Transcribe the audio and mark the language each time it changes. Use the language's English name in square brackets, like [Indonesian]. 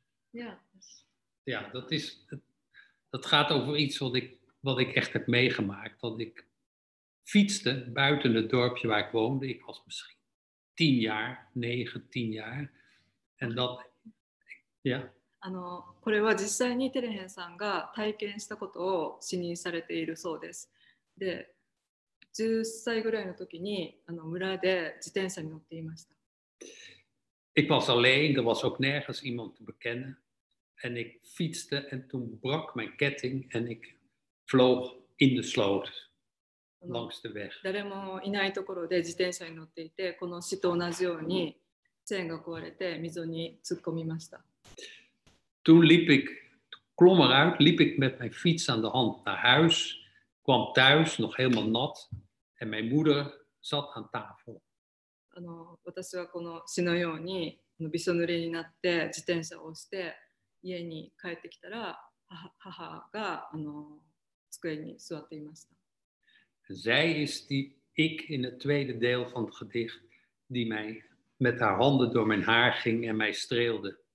[Dutch] Ja, ja, dat is... Dat gaat over iets wat ik echt heb meegemaakt. Dat ik... fietste buiten het dorpje waar ik woonde. Ik was misschien 10 jaar, 9, 10 jaar. En dat... Ja? [Japanese] これは実際にテレヘンさんが体験したことを視認されているそうです。で、10歳ぐらいの時に村で自転車に乗っていました。 [Dutch] Ik was alleen, er was ook nergens iemand te bekennen. En ik fietste en toen brak mijn ketting en ik vloog in de sloot. Langs de weg. [Japanese] 誰もいないところで自転車に乗っていて、この死と同じようにチェーンが壊れて溝に突っ込みました。 [Dutch] Toen liep ik, klom eruit, liep ik met mijn fiets aan de hand naar huis, kwam thuis nog helemaal nat en mijn moeder zat aan tafel. [Japanese] 私はこの死のようにびしょ濡れになって自転車を押して家に帰ってきたら、母が机に座っていました。 [Dutch] Zij is die ik in het tweede deel van het gedicht die mij met haar handen door mijn haar ging en mij streelde.